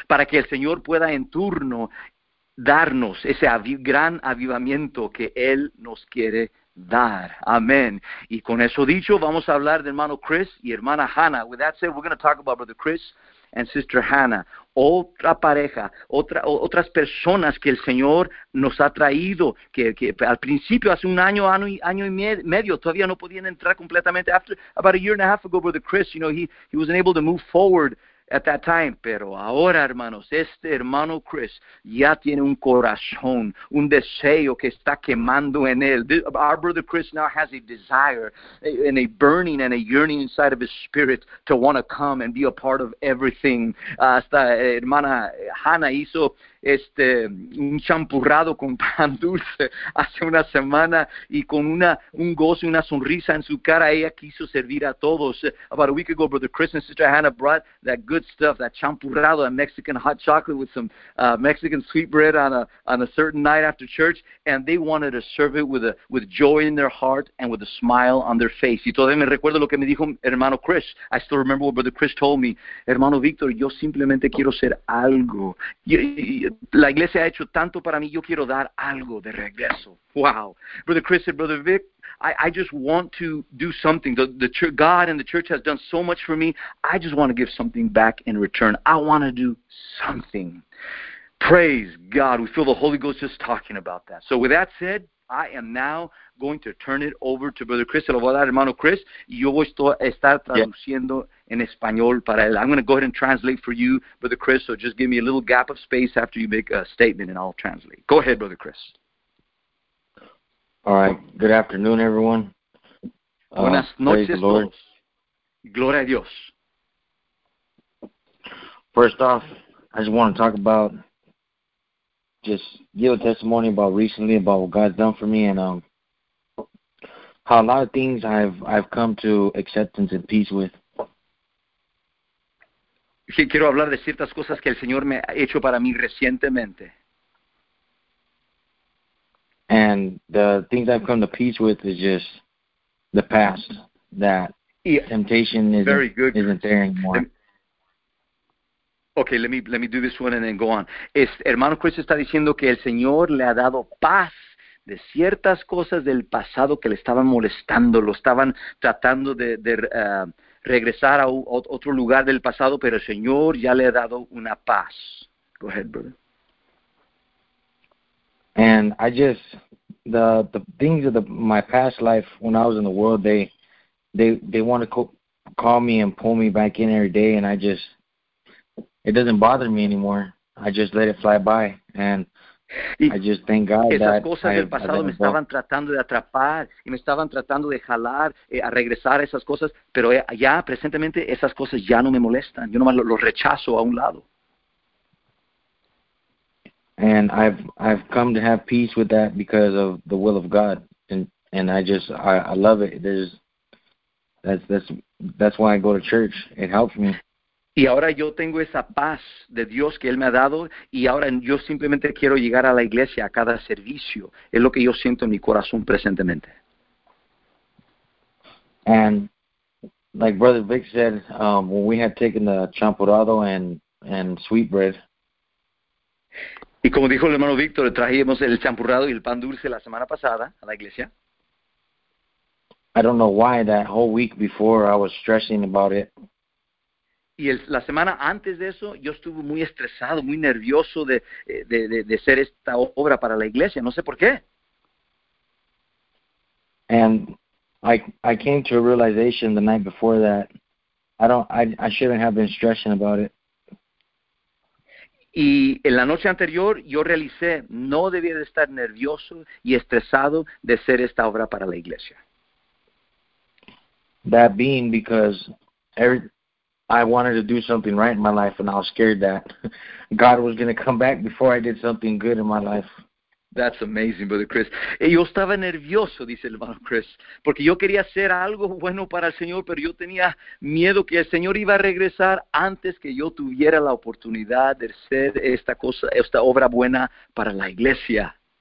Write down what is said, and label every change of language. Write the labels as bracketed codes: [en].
[es] Para que el Señor pueda en turno darnos ese gran avivamiento que Él nos quiere dar. Amén. Y con eso dicho, vamos a hablar de hermano Chris y hermana Hannah. [en] With that said, we're going to talk about Brother Chris and Sister Hannah. [es] Otra pareja, otras personas que el Señor nos ha traído, que al principio, hace un año y medio, todavía no podían entrar completamente. [en] After about a year and a half ago, Brother Chris, you know, he wasn't able to move forward at that time, [es] pero ahora, hermanos, este hermano Chris ya tiene un corazón, un deseo que está quemando en él. [en] Our brother Chris now has a desire and a burning and a yearning inside of his spirit to want to come and be a part of everything. [es] Hasta hermana Hannah hizo un champurrado con pan dulce hace una semana y con un gozo y una sonrisa en su cara, ella quiso servir a todos. [en] About a week ago, brother Chris and sister Hannah brought that good stuff, that champurrado, that Mexican hot chocolate with some Mexican sweet bread on a certain night after church, and they wanted to serve it with joy in their heart and with a smile on their face. [es] Y todavía me recuerdo lo que me dijo hermano Chris. [en] I still remember what brother Chris told me. [es] Hermano Víctor, yo simplemente quiero ser algo. La iglesia ha hecho tanto para mí, yo quiero dar algo de regreso. [en] Wow. Brother Chris said, Brother Vic, I just want to do something. God and the church has done so much for me. I just want to give something back in return. I want to do something. Praise God. We feel the Holy Ghost just talking about that. So with that said, I am now going to turn it over to Brother Chris. [es] Se lo voy a dar, hermano Chris. Yo voy a estar traduciendo en español para él. [en] I'm going to go ahead and translate for you, Brother Chris. So just give me a little gap of space after you make a statement and I'll translate. Go ahead, Brother Chris. All right. Good afternoon, everyone. [es] Buenas noches, [en] praise the Lord. [es] Gloria a Dios. [en] First off, I just want to talk about, just give a testimony about recently, about what God's done for me, and how a lot of things I've come to acceptance and peace with. [es] Sí, quiero hablar de ciertas cosas que el Señor me ha hecho para mí recientemente. [en] And the things I've come to peace with is just the past, that temptation isn't there anymore. Okay, let me do this one and then go on. [es] Hermano Chris está diciendo que el Señor le ha dado paz de ciertas cosas del pasado que le estaban molestando, lo estaban tratando regresar a otro lugar del pasado, pero el Señor ya le ha dado una paz. [en] Go ahead, brother. And I just, the things of my past life when I was in the world, they want to call me and pull me back in every day, and I just, it doesn't bother me anymore. I just let it fly by, and I just thank God [es] esas [en] that [es] cosas del pasado me estaban tratando de atrapar y me estaban tratando de jalar a regresar a esas cosas, pero ya presentemente esas cosas ya no me molestan. Yo nomás lo rechazo a un lado. [en] And I've come to have peace with that because of the will of God, and I love it. That's why I go to church. It helps me. [es] Y ahora yo tengo esa paz de Dios que Él me ha dado, y ahora yo simplemente quiero llegar a la iglesia, a cada servicio. Es lo que yo siento en mi corazón presentemente. [en] And like Brother Vic said, when we had taken the champurrado and sweetbread. [es] Y como dijo el hermano Víctor, trajimos el champurrado y el pan dulce la semana pasada a la iglesia. [en] I don't know why that whole week before I was stressing about it. [es] Y la semana antes de eso, yo estuve muy estresado, muy nervioso de hacer esta obra para la iglesia. No sé por qué. [en] And I came to a realization the night before that I shouldn't have been stressing about it. [es] Y en la noche anterior, yo realicé, no debía de estar nervioso y estresado de hacer esta obra para la iglesia. [en] That being because I wanted to do something right in my life, and I was scared that God was going to come back before I did something good in my life. That's amazing, Brother Chris. [es] Yo estaba nervioso, dice el hermano Chris, porque yo quería hacer algo bueno para el Señor, pero yo tenía miedo que el Señor iba a regresar antes que yo tuviera la oportunidad de hacer esta cosa, esta obra buena para la iglesia.